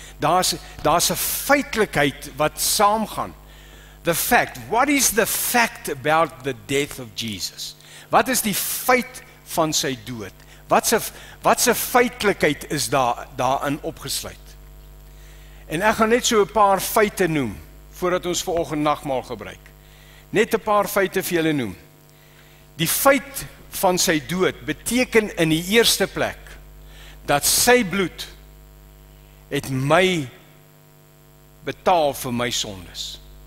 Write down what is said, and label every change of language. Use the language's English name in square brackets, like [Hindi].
[Afrikaans] Daar is een feitelijkheid wat saamgaan. [English] The fact. What is the fact about the death of Jesus? [Afrikaans] Wat is die feit van sy dood? Wat se feitelijkheid is daarin opgesluit? En ek gaan net so een paar feite noem, voordat ons vanoggend nagmaal gebruik. Net een paar feite vir julle noem. Die feit van sy dood beteken in die eerste plek, dat sy bloed het my betaal vir my sondes.